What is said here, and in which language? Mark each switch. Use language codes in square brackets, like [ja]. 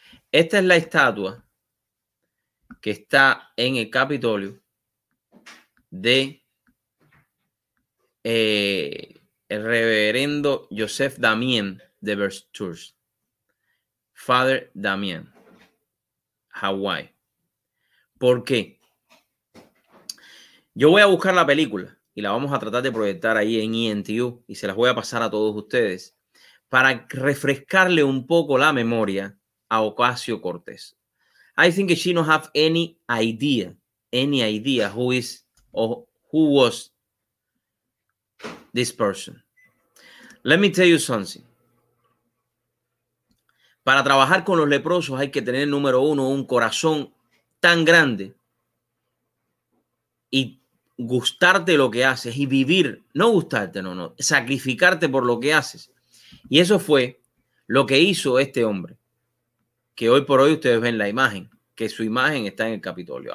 [es] Esta es la estatua que está en el Capitolio de el reverendo Joseph Damien de Verstures, Father Damien, Hawaii. ¿Por qué? Yo voy a buscar la película y la vamos a tratar de proyectar ahí en ENTU y se las voy a pasar a todos ustedes para refrescarle un poco la memoria a Ocasio-Cortez. [en] I think she don't have any idea who is or who was this person. Let me tell you something. [es] Para trabajar con los leprosos hay que tener, número uno, un corazón tan grande y gustarte lo que haces y vivir, no gustarte, no, sacrificarte por lo que haces. Y eso fue lo que hizo este hombre, que hoy por hoy ustedes ven la imagen, que su imagen está en el Capitolio.